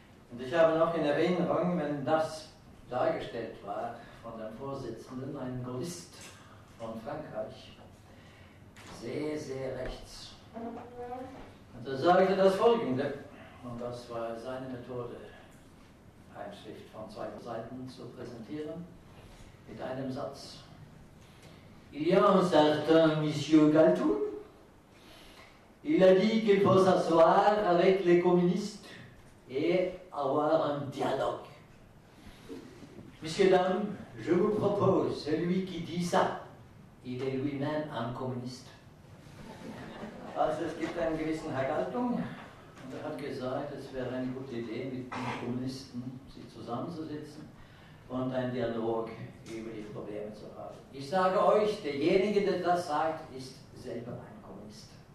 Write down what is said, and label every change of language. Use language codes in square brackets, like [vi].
[de] Und ich habe noch in Erinnerung, wenn das dargestellt war von dem Vorsitzenden, ein Jurist von Frankreich, sehr, sehr rechts. Und er sagte das Folgende, und das war seine Methode, eine Schrift von zwei Seiten zu präsentieren, mit einem Satz. [fr] Il y a un certain monsieur Galtung, il a dit qu'il faut s'asseoir avec les communistes et avoir un dialogue. Monsieur, dames, je vous propose, celui qui dit ça, il est lui-même un communiste. [de] Also es gibt einen gewissen Herr Galtung, und hat gesagt, es wäre eine gute Idee, mit den Kommunisten sich zusammenzusetzen und einen Dialog über die Probleme zu haben. Ich sage euch, derjenige, der das sagt, ist selber ein Kommunist.